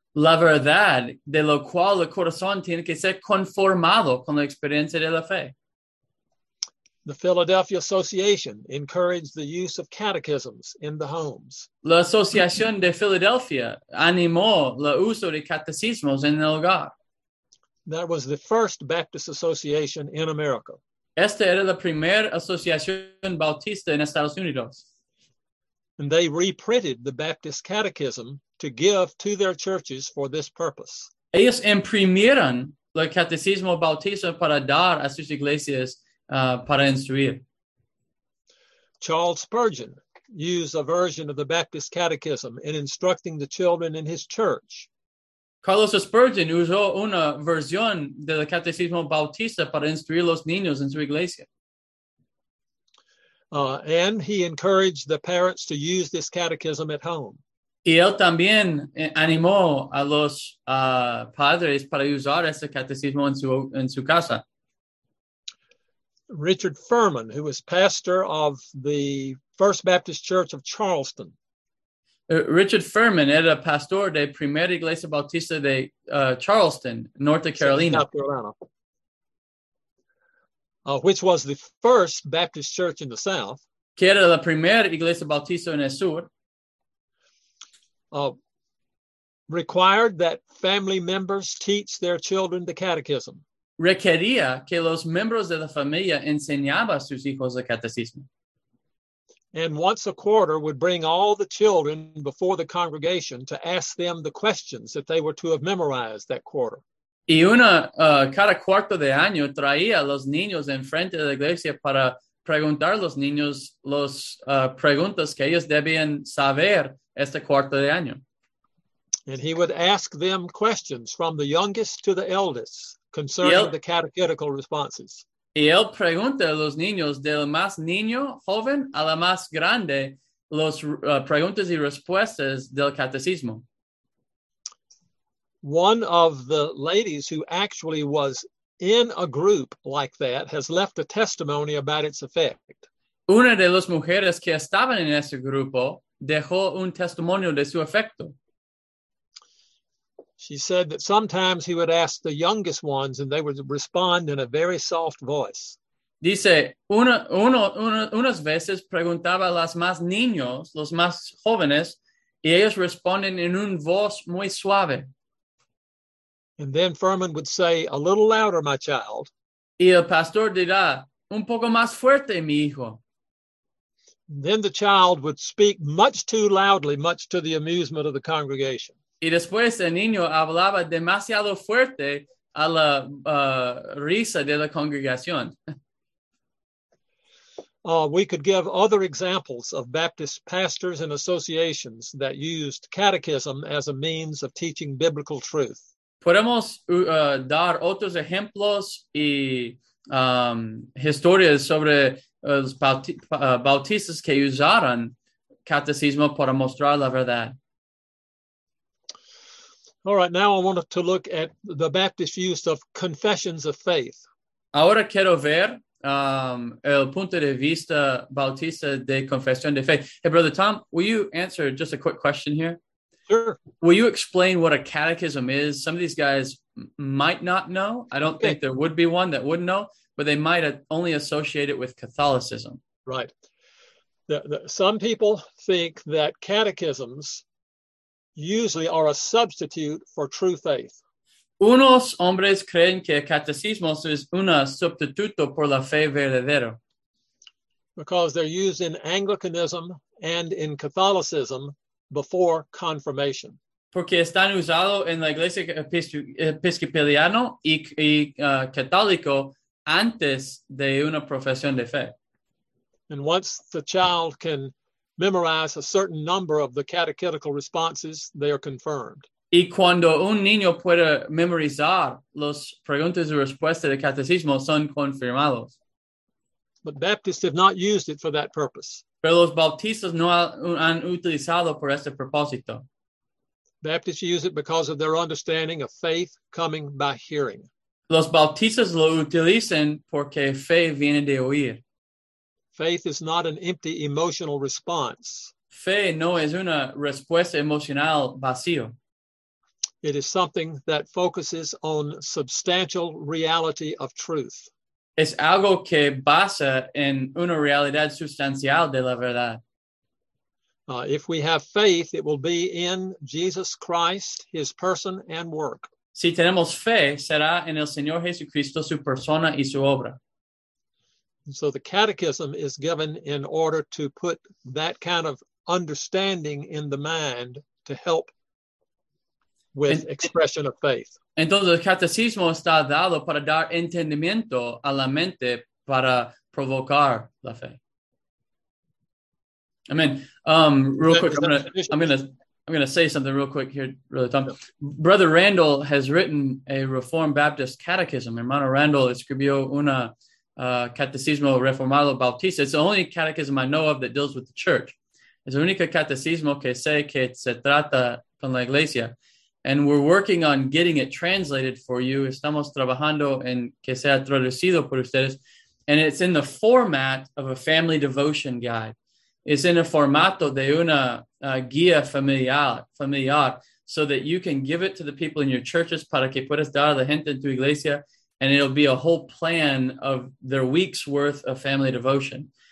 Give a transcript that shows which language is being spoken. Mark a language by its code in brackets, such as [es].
[es] la verdad de lo cual el corazón tiene que ser conformado con la experiencia de la fe. [en] The Philadelphia Association encouraged the use of catechisms in the homes. [es] La Asociación de Filadelfia animó el uso de catecismos en el hogar. [en] That was the first Baptist Association in America. [es] Esta era la primera asociación bautista en Estados Unidos. [en] And they reprinted the Baptist Catechism to give to their churches for this purpose. [es] Ellos imprimieron el catecismo bautista para dar a sus iglesias para instruir. [en] Charles Spurgeon used a version of the Baptist Catechism in instructing the children in his church. [es] Carlos Spurgeon usó una versión del catecismo bautista para instruir los niños en su iglesia. [en] And he encouraged the parents to use this catechism at home. [es] Y él también animó a los padres para usar ese catecismo en su casa. [en] Richard Furman, who was pastor of the First Baptist Church of Charleston. [es] Richard Furman era pastor de Primera Iglesia Bautista de Charleston, North Carolina. [en] South Carolina. Which was the first Baptist church in the South. [es] Que era la primera Iglesia Bautista en el Sur. [en] Required that family members teach their children the catechism. [es] Requería que los miembros de la familia enseñaban a sus hijos el catecismo. [en] And once a quarter would bring all the children before the congregation to ask them the questions that they were to have memorized that quarter. [es] Y cada cuarto de año traía a los niños enfrente de la iglesia para preguntar a los niños las preguntas que ellos debían saber este cuarto de año. [en] And he would ask them questions from the youngest to the eldest concerning the catechetical responses. [es] Y él pregunta a los niños, del más niño joven a la más grande, las preguntas y respuestas del catecismo. [en] One of the ladies who actually was in a group like that has left a testimony about its effect. [es] Una de las mujeres que estaban en ese grupo dejó un testimonio de su efecto. [en] She said that sometimes he would ask the youngest ones and they would respond in a very soft voice. [es] Dice, unas veces preguntaba a las más niños, los más jóvenes, y ellos responden en un voz muy suave. [en] And then Furman would say, a little louder, my child. [es] Y el pastor dirá, un poco más fuerte, mi hijo. [en] Then the child would speak much too loudly, much to the amusement of the congregation. [es] Y después el niño hablaba demasiado fuerte a la risa de la congregación. [en] We could give other examples of Baptist pastors and associations that used catechism as a means of teaching biblical truth. [es] Podemos dar otros ejemplos y historias sobre los bautistas que usaron catecismo para mostrar la verdad. [en] All right, now I want to look at the Baptist use of confessions of faith. [es] Ahora quiero ver el punto de vista bautista de confesión de fe. [en] Hey, Brother Tom, will you answer just a quick question here? Sure. Will you explain what a catechism is? Some of these guys might not know. I don't think there would be one that wouldn't know, but they might only associate it with Catholicism. Right. Some people think that catechisms usually are a substitute for true faith. [es] Unos hombres creen que catecismos es una sustituto por la fe verdadera. [en] Because they're used in Anglicanism and in Catholicism before confirmation. [es] Porque están usados en la iglesia episcopaliana y católico antes de una profesión de fe. [en] And once the child can memorize a certain number of the catechetical responses, they are confirmed. [es] Y cuando un niño puede memorizar las preguntas y respuestas del catecismo, son confirmados. [en] But Baptists have not used it for that purpose. [es] Pero los bautistas no han utilizado por este propósito. [en] Baptists use it because of their understanding of faith coming by hearing. [es] Los bautistas lo utilizan porque fe viene de oír. [en] Faith is not an empty emotional response. [es] Fe no es una respuesta emocional vacío. [en] It is something that focuses on substantial reality of truth. [es] Es algo que basa en una realidad sustancial de la verdad. [en] If we have faith, it will be in Jesus Christ, his person and work. [es] Si tenemos fe, será en el Señor Jesucristo, su persona y su obra. [en] So the catechism is given in order to put that kind of understanding in the mind to help with expression of faith. [es] Entonces, el catecismo está dado para dar entendimiento a la mente para provocar la fe. [en] Amen. I'm gonna say something real quick here, Brother Tom. Brother Randall has written a Reformed Baptist catechism. [es] Hermano Randall escribió una catecismo reformado bautista. [en] It's the only catechism I know of that deals with the church. [es] Es el único catecismo que sé que se trata con la iglesia. [en] And we're working on getting it translated for you. [es] Estamos trabajando en que sea traducido por ustedes. [en] And it's in the format of a family devotion guide. It's in a [es] formato de una guía familiar, [en] so that you can give it to the people in your churches [es] para que puedas dar a la gente en tu iglesia. [en] And it'll be a whole plan of their week's worth of family devotion.